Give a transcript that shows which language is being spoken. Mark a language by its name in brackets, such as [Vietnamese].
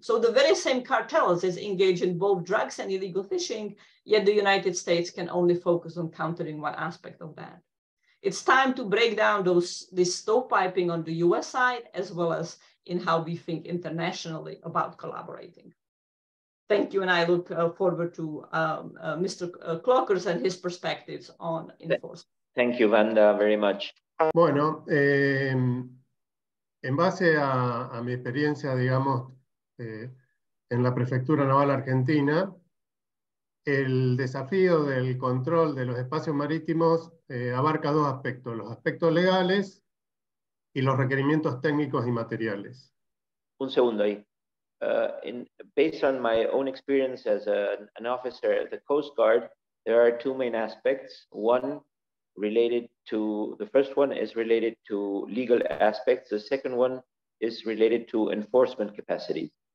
[English] So the very same cartels is engaged in both drugs and illegal fishing, yet the United States can only focus on countering one aspect of that. It's time to break down this stovepiping on the US side, as well as in how we think internationally about collaborating. Thank you, and I look forward to Mr. Klocker's and his perspectives on enforcement. Thank you, Vanda, very much. [Spanish] Bueno, en base a mi experiencia, digamos, en la Prefectura Naval Argentina, el desafío del control de los espacios marítimos abarca dos aspectos, los aspectos legales y los requerimientos técnicos y materiales. Un segundo ahí. [English] Based on my own experience as an officer at the Coast Guard, there are two main aspects. The first one is related to legal aspects. The second one is related to enforcement capacity.